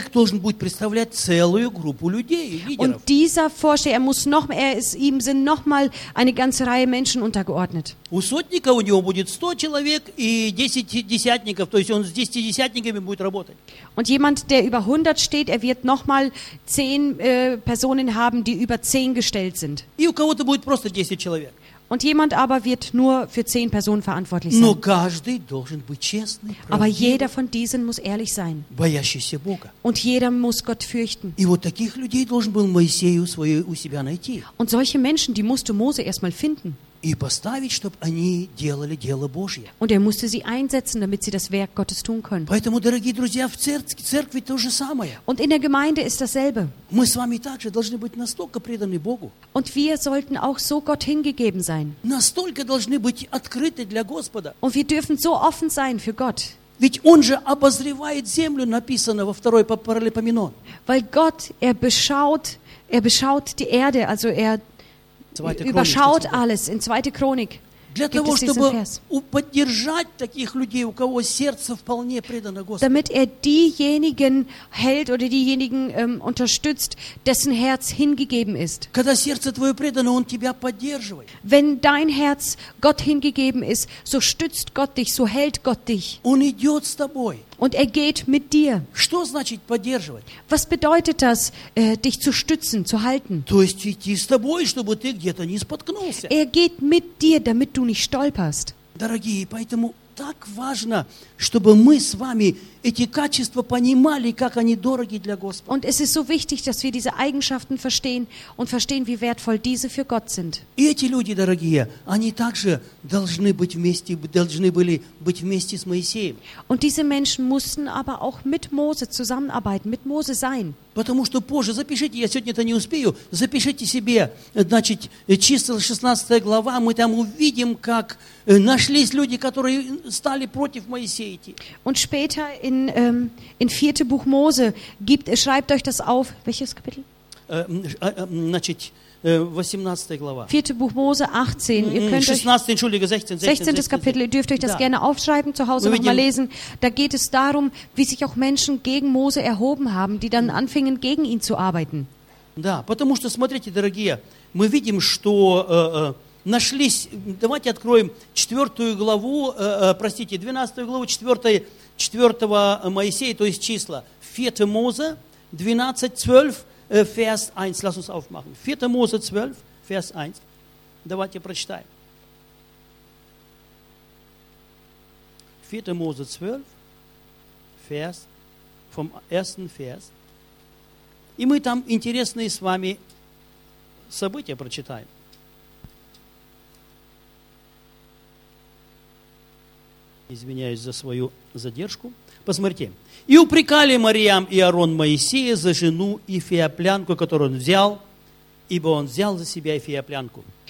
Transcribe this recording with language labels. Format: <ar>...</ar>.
<de>Und dieser Vorsteher, ihm sind nochmal eine ganze Reihe Menschen untergeordnet.</de> <ru>У сотника у него будет 100 человек и 10 десятников, то есть он с 10 десятниками будет работать.</ru> <de>Und jemand, der über 100 steht, er wird nochmal 10 Personen haben, die über 10 gestellt sind.</de> <ru>И у кого-то будет просто 10 человек.</ru> <de>Und jemand aber wird nur für 10 Personen verantwortlich sein.</de> <ru>Но каждый должен быть честный, правдивый.</ru> <de>Aber jeder von diesen muss ehrlich sein.</de> <ru>Боящийся Бога.</ru> <de>Und jeder muss Gott fürchten.</de> <ru>И вот таких людей должен был Моисей у себя найти.</ru> <de>Und solche Menschen, die musste Mose erstmal finden.</de> <ru>И поставить, чтобы они делали дело Божье.</ru> <de>Und musste sie einsetzen, damit sie das Werk Gottes tun können.</de> <ru>Поэтому, дорогие друзья, в церкви то же самое.</ru> <de>Und in der Gemeinde ist dasselbe.</de> <ru>Мы с вами также должны быть настолько преданы Богу.</ru> <de>Und wir sollten auch so Gott hingegeben sein.</de> <ru>Настолько должны быть открыты для Господа.</ru> <de>Und wir dürfen so offen sein für Gott.</de> <ru>Ведь он же обозревает землю, написано во второй Паралипоменон.</ru> <de>Weil Gott, er beschaut die Erde, also er überschaut alles in 2. Chronik.</de> <ru>Для того, чтобы поддержать таких людей, у кого сердце вполне предано Господу.</ru> <de>Damit er diejenigen hält oder diejenigen unterstützt, dessen Herz hingegeben ist.</de> <ru>Когда сердце твое предано, он тебя поддерживает.</ru> <de>Wenn dein Herz Gott hingegeben ist, so stützt Gott dich, so hält Gott dich.</de> <ru>Он идет с тобой.</ru> <de>Und er geht mit dir.</de> <ru>Что значит поддерживать?</ru> <de>Was bedeutet das, dich zu stützen, zu halten?</de> <ru>То есть идти с тобой, чтобы ты где-то не споткнулся.</ru> <de>Er geht mit dir, damit du nicht stolperst.</de> <ru>Дорогие, поэтому так важно, чтобы мы с вами эти качества понимали, как они дороги для Господа.</ru> <de>Und es ist so wichtig, dass wir diese Eigenschaften verstehen und verstehen, wie wertvoll diese für Gott sind.</de> <ru>И эти люди, дорогие, они также должны были быть вместе с Моисеем.</ru> <de>Und diese Menschen mussten aber auch mit Mose zusammenarbeiten, mit Mose sein.</de> <ru>Потому что позже, запишите, я сегодня это не успею, запишите себе, значит, Чисел 16 глава, мы там увидим, как нашлись люди, которые стали против Моисея идти.</ru> <de>Und später in 4. Buch Mose schreibt euch das auf. Welches Kapitel?</de> <ru>Значит, 18 глава.</ru> <de>4. Buch Mose 18. Ihr könnt 16. Kapitel, ihr dürft euch das gerne aufschreiben, zu Hause nochmal lesen. Da geht es darum, wie sich auch Menschen gegen Mose erhoben haben, die dann anfingen, gegen ihn zu arbeiten.</de> <ru>Да, потому что, смотрите, дорогие, мы видим, что нашлись, давайте откроем 4 главу, простите, 12 главу, 4 Моисея, то есть числа.</ru> <de>4. Mose 12, Vers 1. Lass uns aufmachen. 4. Mose 12, Vers 1.</de> <ru>Давайте прочитаем.</ru> <de>4. Mose 12, Vers, vom ersten Vers.</de> <ru>И мы там интересные с вами события прочитаем. Извиняюсь за свою задержку. Посмотрите. «И упрекали Мариам и Аарон Моисея за жену Эфиоплянку, которую он взял, ибо он взял за себя Эфиоплянку».</ru>